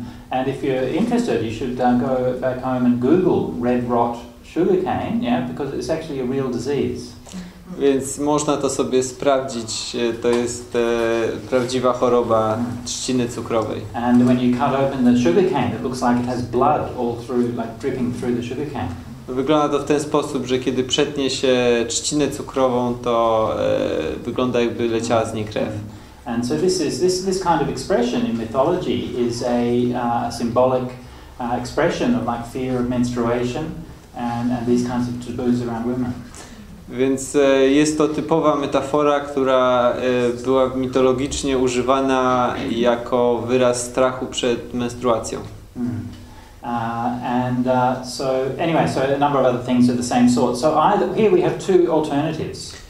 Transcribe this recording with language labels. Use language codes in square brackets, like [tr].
[en] And if you're interested, you should go back home and Google red rot sugar cane, yeah, because it's actually a real disease. [pl] Więc można to sobie sprawdzić, to jest prawdziwa choroba trzciny cukrowej. [en] And when you cut open the sugar cane, it looks like it has blood all through, like dripping through the sugar cane. [pl] Wygląda to w ten sposób, że kiedy przetnie się trzcinę cukrową, to wygląda, jakby leciała z niej krew. [en] And so this kind of expression in mythology is a symbolic expression of like fear of menstruation and these kinds of taboos around women. [pl] Więc jest to typowa metafora, która była mitologicznie używana jako wyraz strachu przed menstruacją. [en] A number of other things of the same sort. So either here we have two alternatives.